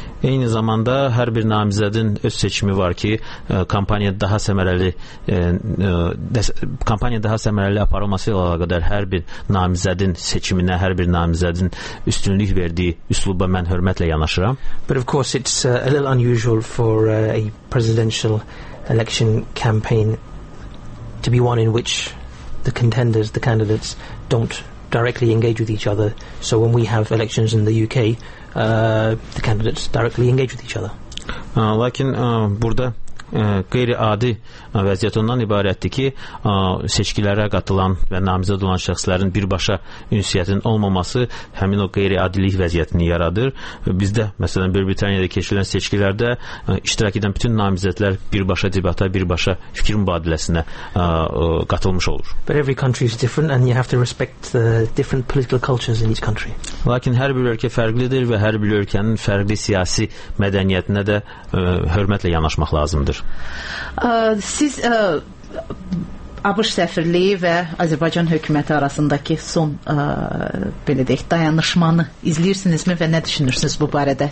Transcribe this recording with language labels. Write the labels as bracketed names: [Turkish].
[Azerbaijani] Eyni zamanda hər bir namizədin öz seçimi var ki, kampaniya daha səmərəli aparılması ilə əlaqədar hər bir namizədin seçiminə, hər bir namizədin üstünlük verdiyi üsluba mən hörmətlə yanaşıram. [English] But of course it's a little unusual for a presidential election campaign to be one in which the contenders, the candidates don't directly engage with each other. So when we have elections in the UK, the candidates directly engage with each other. [Azerbaijani] Lakin burada qeyri-adi vəziyyət ondan ibarətdir ki, seçkilərə qatılan və namizəd olan şəxslərin birbaşa ünsiyyətinin olmaması həmin o qeyri-adilik vəziyyətini yaradır. Bizdə, məsələn, Britaniyada keçirilən seçkilərdə iştirak edən bütün namizədlər birbaşa debata, birbaşa fikir mübadiləsinə qatılmış olur. [English] But every country is different and you have to respect the different political cultures in each country. [Azerbaijani] Lakin hər bir ölkə fərqlidir və hər bir ölkənin fərqli siyasi mədəniyyətinə də hörmətlə yanaşmaq lazımdır. Siz ABŞ səfirliyi və Azərbaycan hökuməti arasındakı son belə deyək, dayanışmanı izləyirsinizmi və nə düşünürsünüz bu barədə?